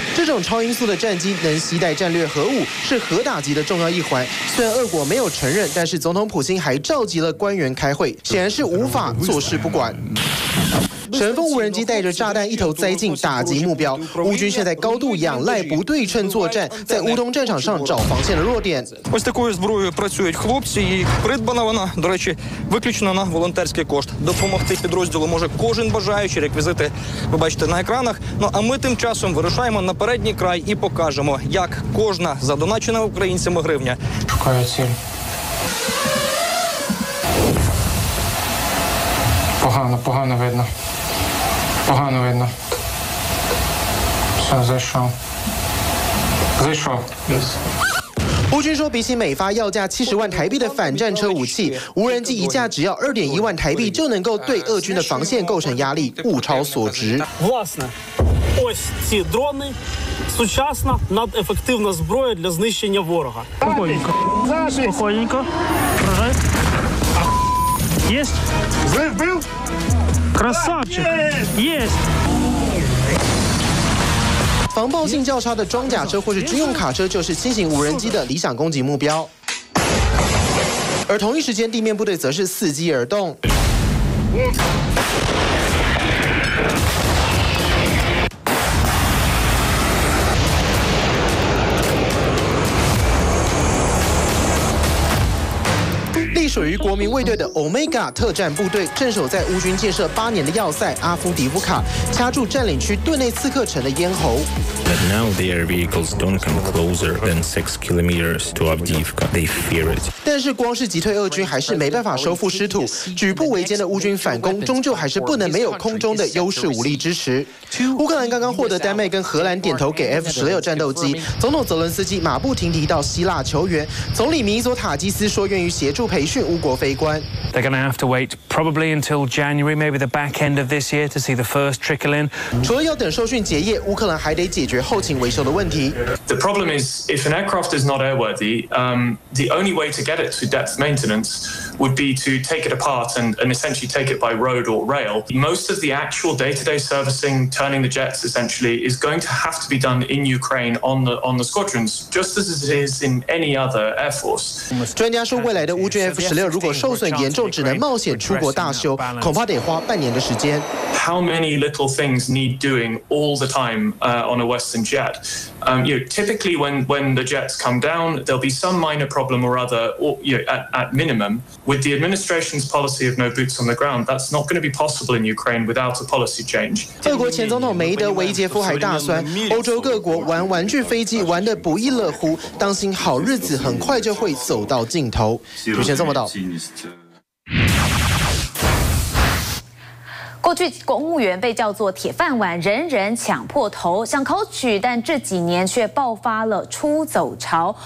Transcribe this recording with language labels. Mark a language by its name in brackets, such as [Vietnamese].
[Chinese] 这种超音速的战机能携带战略核武，是核打击的重要一环。虽然俄国没有承认，但是总统普京还召集了官员开会，显然是无法坐视不管。神风无人机带着炸弹一头栽进打击目标，乌军现在高度仰赖不对称作战，在乌东战场上找防线的弱点。 [Ukrainian] Ось такою зброєю працюють хлопці, і придбана вона, до речі, виключно на волонтерський кошт. Допомогти підрозділу може кожен бажаючий, реквізити ви бачите на екранах. Ну а ми тим часом вирушаємо на передній край і покажемо, як кожна задоначена українцями гривня. Шукаю ціль. Погано, погано видно. Погано видно. Все, зайшов. Зайшов. Yes. [Chinese] 乌军说，比起美发要价70万台币的反战车武器，无人机一架只要2.1万台币就能够对俄军的防线构成压力，物超所值。 [Ukrainian] Власне, ось ці дрони сучасна надефективна зброя для знищення ворога. Спокійненько, спокійненько. Є? Вбив? Красавчик. Є. [Chinese] 防爆性较差的装甲车或是军用卡车就是新型无人机的理想攻击目标，而同一时间地面部队则是伺机而动。属于国民卫队的 Omega 特战部队镇守在乌军建设8年的要塞阿夫迪夫卡，掐住占领区顿内茨克城的咽喉。 [English] But now their vehicles don't come closer than 6 kilometers to Avdiivka. They fear it. [Chinese] 但是光是击退俄军还是没办法收复失土，举步维艰的乌军反攻终究还是不能没有空中的优势武力支持。乌克兰刚刚获得丹麦跟荷兰点头给 F-16 战斗机，总统泽伦斯基马不停蹄到希腊求援，总理米佐塔基斯说愿意协助培训。 [English] They're going to have to wait probably until January, maybe the back end of this year, to see the first trickle in. [Chinese] 除了要等受训结业，乌克兰还得解决后勤维修的问题。 [English] The problem is, if an aircraft is not airworthy, the only way to get it to depth maintenance would be to take it apart and essentially take it by road or rail. Most of the actual day-to-day servicing, turning the jets essentially, is going to have to be done in Ukraine on the squadrons, just as it is in any other air force. [Chinese] 专家说，未来的乌军 F-16 如果受损严重，只能冒险出国大修，恐怕得花半年的时间。 [English] How many little things need doing all the time on a Western jet? Typically when the jets come down, there'll be some minor problem or other, at minimum. With the administration's policy of no boots on the ground, that's not going to be possible in Ukraine without a policy change. [Chinese] 俄国前总统梅德韦杰夫还大酸，欧洲各国玩玩具飞机玩得不亦乐乎，当心好日子很快就会走到尽头。主持人宋博导。过去公务员被叫做铁饭碗，人人抢破头想考取，但这几年却爆发了出走潮。